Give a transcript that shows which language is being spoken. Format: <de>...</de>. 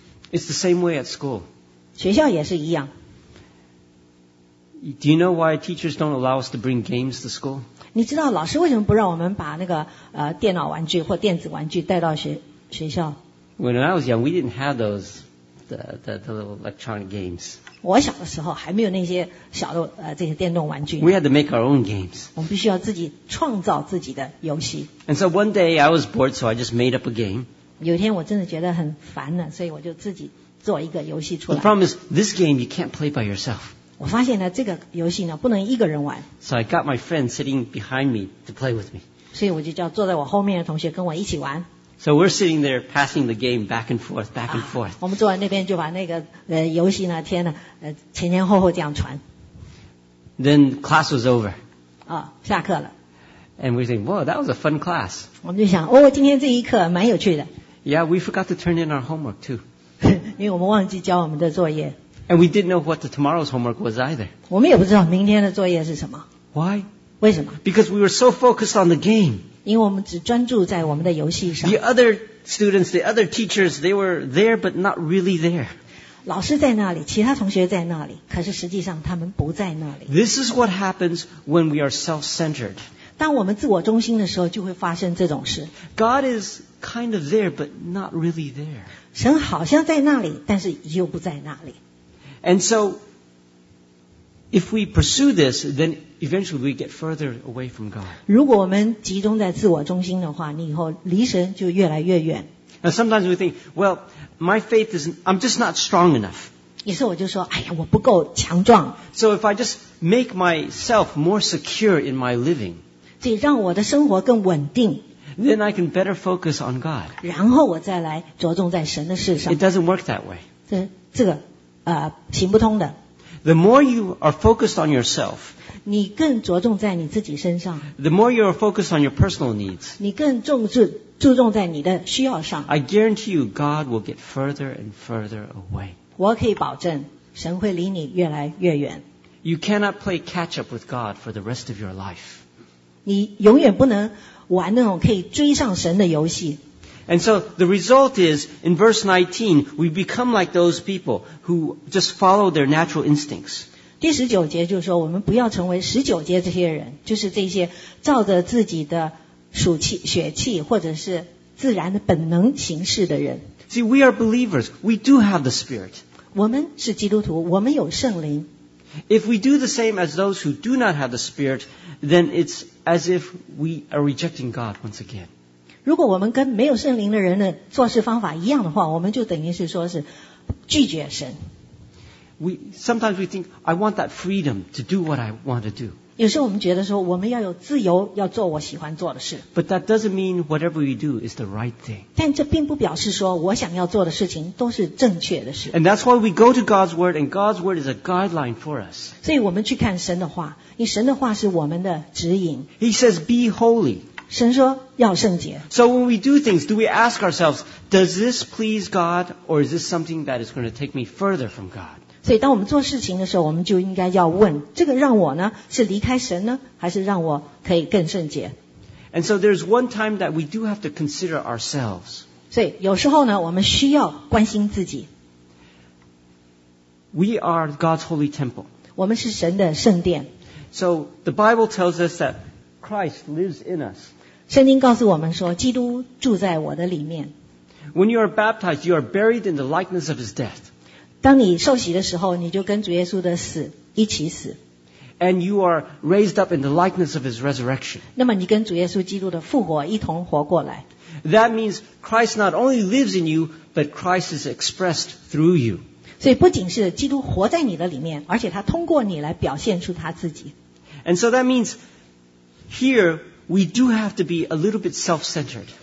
<en>It's the same way at school.</en> <zh>学校也是一样。</zh> <en>Do you know why teachers don't allow us to bring games to school?</en> <zh>你知道老师为什么不让我们把那个电脑玩具或电子玩具带到学校？</zh> <en>When I was young, we didn't have those the little electronic games.</en> <zh>我小的时候还没有那些小的这些电动玩具。</zh> <en>We had to make our own games.</en> <zh>我们必须要自己创造自己的游戏。</zh> <en>And so one day I was bored, so I just made up a game.</en> <zh>有一天我真的觉得很烦了，所以我就自己做一个游戏出来。</zh> <en>The problem is this game you can't play by yourself.</en> <zh>我发现呢，这个游戏呢不能一个人玩。</zh> <en>So I got my friend sitting behind me to play with me.</en> <zh>所以我就叫坐在我后面的同学跟我一起玩。</zh> <en>So we're sitting there passing the game back and forth, back and forth.</en> <zh>我们坐在那边就把那个游戏呢，天哪，前前后后这样传。</zh> <en>Then class was over.</en> <zh>下课了。</zh> <en>And we think, whoa, that was a fun class.</en> <zh>我们就想，今天这一课蛮有趣的。</zh> <en>Yeah, we forgot to turn in our homework too.</en> <zh>因为我们忘记交我们的作业。</zh> <en>And we didn't know what the tomorrow's homework was either.</en> <zh>我们也不知道明天的作业是什么。</zh> <en>Why?</en> <zh>为什么？</zh> <en>Because we were so focused on the game.</en> <zh>因为我们只专注在我们的游戏上。</zh> <en>The other students, the other teachers, they were there, but not really there.</en> <zh>老师在那里，其他同学在那里，可是实际上他们不在那里。</zh> <en>This is what happens when we are self-centered.</en> <zh>当我们自我中心的时候，就会发生这种事。</zh> <en>God is kind of there, but not really there.</en> <zh>神好像在那里，但是又不在那里。</zh> <en>And so, if we pursue this, then... Eventually, we get further away from God.</en> <zh>如果我们集中在自我中心的话，你以后离神就越来越远。</zh> <en>And sometimes we think, well, my faith is, I'm just not strong enough.</en> <zh>于是我就说，哎呀，我不够强壮。</zh> <en>So if I just make myself more secure in my living,</en> <zh>这让我的生活更稳定。</zh> <en>Then I can better focus on God.</en> <zh>然后我再来着重在神的事上。</zh> <en>It doesn't work that way.</en> <zh>这个行不通的。</zh> <en>The more you are focused on yourself,</en> <zh>你更着重在你自己身上。</zh> <en>The more you are focused on your personal needs,</en> <zh>你更注重在你的需要上。</zh> <en>I guarantee you, God will get further and further away.</en> <zh>我可以保证，神会离你越来越远。</zh> <en>You cannot play catch up with God for the rest of your life.</en> <zh>你永远不能玩那种可以追上神的游戏。</zh> <en>And so the result is, in verse 19, we become like those people who just follow their natural instincts.</en> <zh>第十九节就是说，我们不要成为十九节这些人，就是这些照着自己的属气、血气或者是自然的本能行事的人。</zh> <en>See, we are believers. We do have the Spirit.</en> <zh>我们是基督徒，我们有圣灵。</zh> <en>If we do the same as those who do not have the Spirit, then it's as if we are rejecting God once again.</en> <zh>如果我们跟没有圣灵的人的做事方法一样的话，我们就等于是说是拒绝神。</zh> <en>Sometimes we think, I want that freedom to do what I want to do.</en> <zh>有时候我们觉得说，我们要有自由，要做我喜欢做的事。</zh> <en>But that doesn't mean whatever we do is the right thing.</en> <zh>但这并不表示说，我想要做的事情都是正确的事。</zh> <en>And that's why we go to God's Word, and God's Word is a guideline for us.</en> <zh>所以我们去看神的话，因为神的话是我们的指引。</zh> <en>He says, be holy.</en> <zh>神说要圣洁。</zh> <en>So when we do things, do we ask ourselves, does this please God, or is this something that is going to take me further from God?</en> <zh>所以当我们做事情的时候我们就应该要问这个让我呢是离开神呢还是让我可以更圣洁</zh> <en>And so there's one time that we do have to consider ourselves.</en> <zh>所以有时候呢我们需要关心自己。</zh> <en>We are God's holy temple.</en> <zh>我们是神的圣殿。</zh> <en>So the Bible tells us that Christ lives in us.</en> <zh>圣经告诉我们说基督住在我的里面。</zh> <en>When you are baptized, you are buried in the likeness of his death.</en> <zh>当你受洗的时候你就跟主耶稣的死一起死</zh> <en>And you are raised up in the likeness of his resurrection.</en> <zh>那么你跟主耶稣基督的复活一同活过来</zh> <en>That means Christ not only lives in you, but Christ is expressed through you.</en> <zh>所以不仅是基督活在你的里面而且他通过你来表现出他自己</zh> <en>And so that means here we do have to be a little bit self-centered.</en>